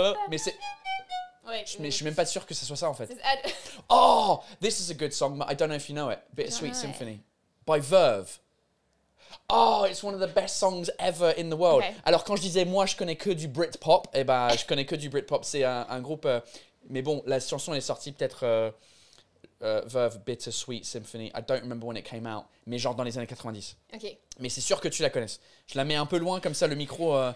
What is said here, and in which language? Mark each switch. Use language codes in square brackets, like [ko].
[fr] Mais c'est... Je suis même pas sûr que ce soit ça, en fait. [en] Oh, this is a good song, but I don't know if you know it. Bittersweet Symphony. By Verve. Oh, it's one of the best songs ever in the world. Okay. [fr] Alors, quand je disais, moi, je connais que du Britpop, et ben, je connais que du Britpop. C'est un groupe... mais bon, la chanson est sortie peut-être... [en] Verve, Bittersweet Symphony. I don't remember when it came out. [fr] Mais genre dans les années 90. Ok. Mais c'est sûr que tu la connaisses. Je la mets un peu loin, comme ça, le micro...